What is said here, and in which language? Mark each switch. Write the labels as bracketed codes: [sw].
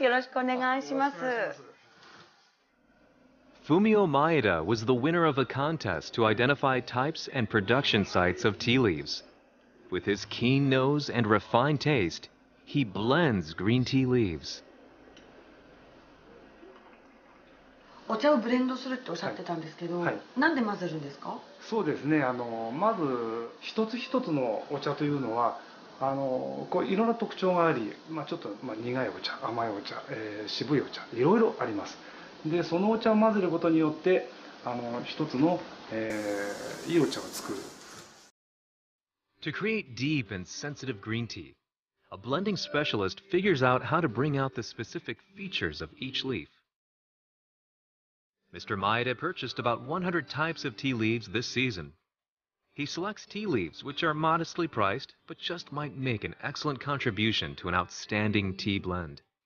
[ja] Yoroshiku onegai shimasu. [en] Fumio Maeda was the winner of a contest to identify types and production sites of tea leaves. With his keen nose and refined taste, he blends green tea leaves. [ja] お茶をブレンドするっておっしゃってたんですけど、はいはい、なんで混ぜるんですか？そうですね、まず一つ一つのお茶というのは、こういろんな特徴があり、ちょっと、苦いお茶、甘いお茶、渋いお茶、いろいろあります。で、そのお茶を混ぜることによって、一つの、いいお茶を作る。 [en] To create deep and sensitive green tea, a blending specialist figures out how to bring out the specific features of each leaf. Mr. Maeda purchased about 100 types of tea leaves this season. He selects tea leaves which are modestly priced, but just might make an excellent contribution to an outstanding tea blend.